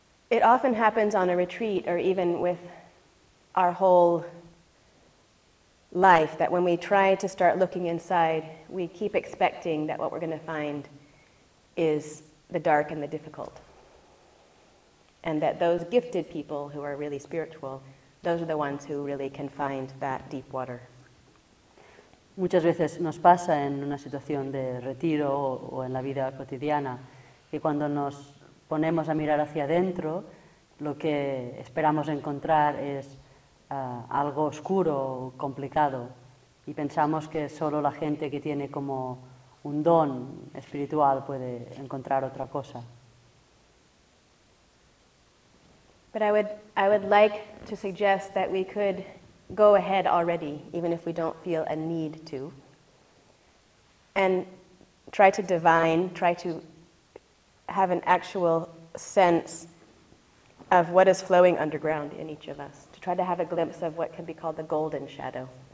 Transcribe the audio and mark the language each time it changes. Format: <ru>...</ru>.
<en>It often happens on a retreat or even with our whole life that when we try to start looking inside, we keep expecting that what we're going to find is the dark and the difficult. And that those gifted people who are really spiritual, those are the ones who really can find that deep water.</en> <es>Muchas veces nos pasa en una situación de retiro o en la vida cotidiana que cuando nos ponemos a mirar hacia adentro, lo que esperamos encontrar es algo oscuro, complicado, y pensamos que solo la gente que tiene como un don espiritual puede encontrar otra cosa.</es> <en>But I would like to suggest that we could go ahead already, even if we don't feel a need to, and try to divine, try to have an actual sense of what is flowing underground in each of us, to try to have a glimpse of what can be called the golden shadow.</en>